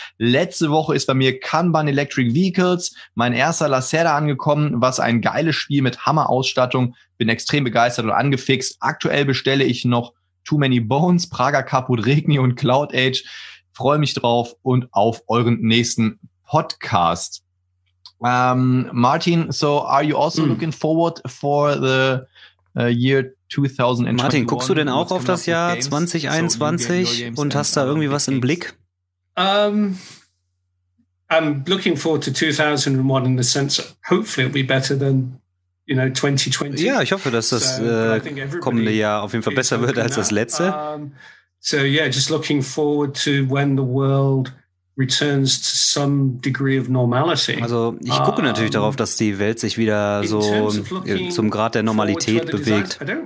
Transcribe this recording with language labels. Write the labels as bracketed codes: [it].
[de] Letzte Woche ist bei mir Kanban Electric Vehicles, mein erster Lacerda angekommen, was ein geiles Spiel mit Hammer-Ausstattung. Bin extrem begeistert und angefixt. Aktuell bestelle ich noch Too Many Bones, Praga Caput Regni und Cloud Age. Freue mich drauf und auf euren nächsten Podcast. [en] Martin, so are you also looking forward for the year 2021? [de] Martin, guckst du denn auch auf das Jahr 2021 und hast da irgendwie was im Blick? [en] I'm looking forward to 2001 in the sense hopefully it'll be better than, you know, 2020. [de] Ja, ich hoffe, dass das kommende Jahr auf jeden Fall besser wird als das letzte. [en] So yeah, just looking forward to when the world returns to some degree of normality. [de] Also ich gucke natürlich darauf, dass die Welt sich wieder so zum Grad der Normalität bewegt.